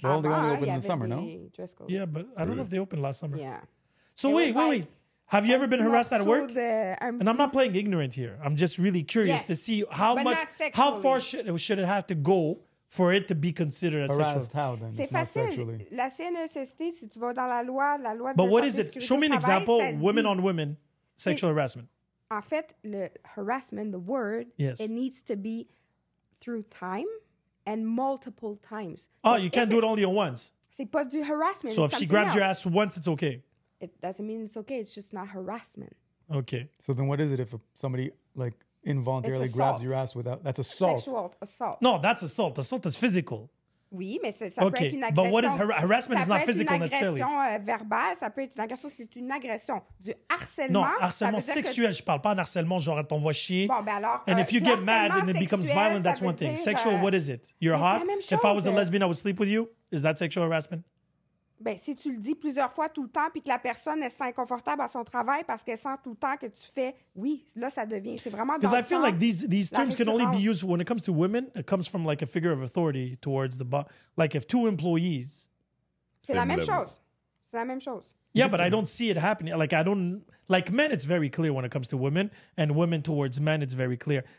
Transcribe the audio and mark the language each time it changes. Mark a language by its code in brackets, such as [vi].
[en] Well, they only opened in the summer, no? Dress code. Yeah, but I don't know if they opened last summer. Yeah. So wait. Have you ever been harassed at work? And I'm not playing ignorant here. I'm just really curious to see how far should it have to go for it to be considered as harassed, sexual. How, then? [fr] C'est facile. La CNESST, si tu vas dans la loi, la loi de... [en] But what is it? Show me an example, women on women, sexual harassment. [fr] En fait, le [en] harassment, the word, it needs to be through time and multiple times. Oh, you can't do it only once. [fr] C'est pas du harassment. [en] So if she grabs your ass once, it's okay. It doesn't mean it's okay. It's just not harassment. Okay. So then what is it if somebody, like... involuntarily grabs your ass without... That's assault. Sexual assault. No, that's assault. Assault is physical. [fr] Oui, mais ça peut être une agression. [en] But what is harassment is not physical necessarily. [fr] Ça peut être une agression verbale. Ça peut être une agression. C'est une agression. Du harcèlement. Non, harcèlement sexuel. Je parle pas d'un harcèlement genre elle t'envoie chier. Bon, ben alors... [en] And if you get mad and it becomes violent, that's one thing. Sexual, what is it? You're hot? If I was a lesbian, I would sleep with you? Is that sexual harassment? [fr] Ben, si tu le dis plusieurs fois tout le temps puis que la personne elle se sent inconfortable à son travail parce qu'elle sent tout le temps que tu fais oui, là ça devient, c'est vraiment dans le temps. [en] Because I feel like these terms can only be used when it comes to women. It comes from like a figure of authority towards the boss. Like if two employees... [fr] C'est la même chose. C'est la même chose. [en] Yeah, but I don't see it happening. Like I don't... Like men, it's very clear when it comes to women, and women towards men, it's very clear.